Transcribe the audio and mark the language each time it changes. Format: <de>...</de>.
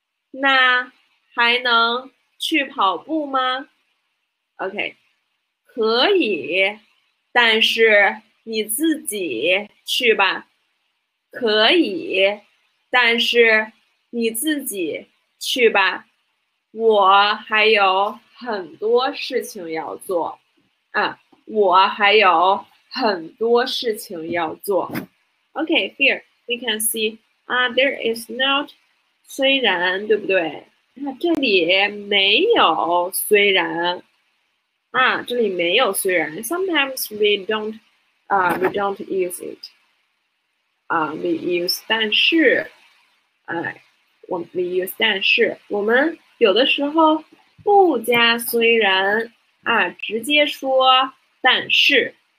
<zh>那还能去跑步吗？OK，可以，但是你自己去吧。可以，但是你自己去吧。我还有很多事情要做，啊，我还有。很多事情要做。</zh> <en>OK, here we can see, there is not, 虽然，</en> <zh>对不对？啊，这里没有虽然，啊，这里没有虽然。</zh> <en>Sometimes we don't use it, we use 但是，we use 但是，</en> <zh>我们有的时候不加虽然，啊，直接说但是。</zh>